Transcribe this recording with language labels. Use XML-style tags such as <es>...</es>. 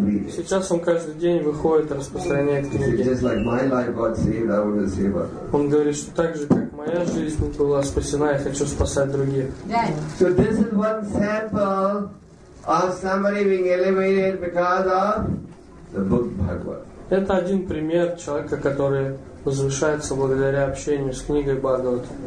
<ru>Сейчас он каждый день выходит распространяет книги. Он говорит, что так же, как моя жизнь была спасена, я хочу спасать других.</ru> <en>So this is one sample of somebody being elevated because of the book Bhagavad.</en> <ru>Это один пример человека, который возвышается благодаря общению с книгой Бхагавад.</ru>